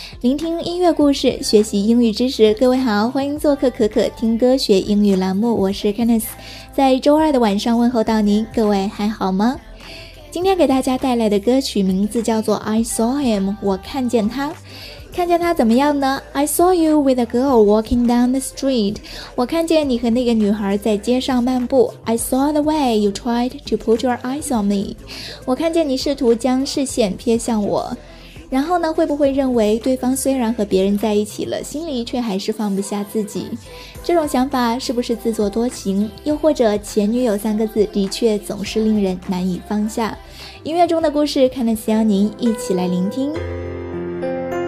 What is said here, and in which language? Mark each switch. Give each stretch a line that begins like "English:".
Chinese: 聆听音乐故事，学习英语知识，各位好，欢迎做客可可听歌学英语栏目，我是 Kenneth， 在周二的晚上问候到您，各位还好吗？今天给大家带来的歌曲名字叫做 I saw him， 我看见他。看见他怎么样呢？
English: I saw you with a girl walking down the street，
Chinese: 我看见你和那个女孩在街上漫步。
English: I saw the way you tried to put your eyes on me，
Chinese: 我看见你试图将视线瞥向我。然后呢，会不会认为对方虽然和别人在一起了，心里却还是放不下自己？这种想法是不是自作多情？又或者前女友三个字的确总是令人难以放下？音乐中的故事，看了希望您一起来聆听。